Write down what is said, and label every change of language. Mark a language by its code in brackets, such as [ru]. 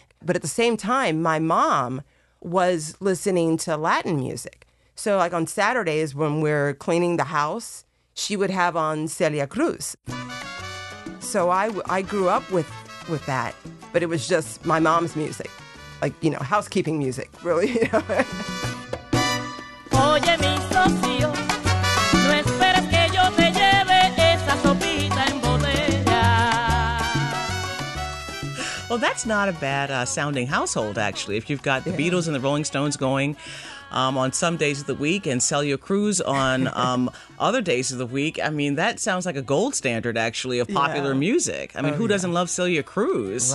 [en] But at the same time, my mom was listening to Latin music. So, like, on Saturdays when we're cleaning the house, she would have on Celia Cruz. So I grew up with that, but it was just my mom's music. Like, you know, housekeeping music, really. [es] Oye, mi socio, no esperes que yo te lleve esa sopita en botella. [en] Well, that's not a bad sounding household, actually, if you've got the Beatles and the Rolling Stones going on some days of the week, and Celia Cruz on other days of the week. I mean, that sounds like a gold standard, actually, of popular music. I mean, who doesn't love Celia Cruz?